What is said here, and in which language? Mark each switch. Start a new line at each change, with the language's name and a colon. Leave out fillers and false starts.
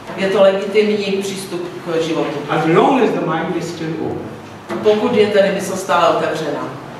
Czech: Je to legitimní přístup k životu.
English: As long as the mind is still open.
Czech: Pokud je tedy mysl stále otevřená.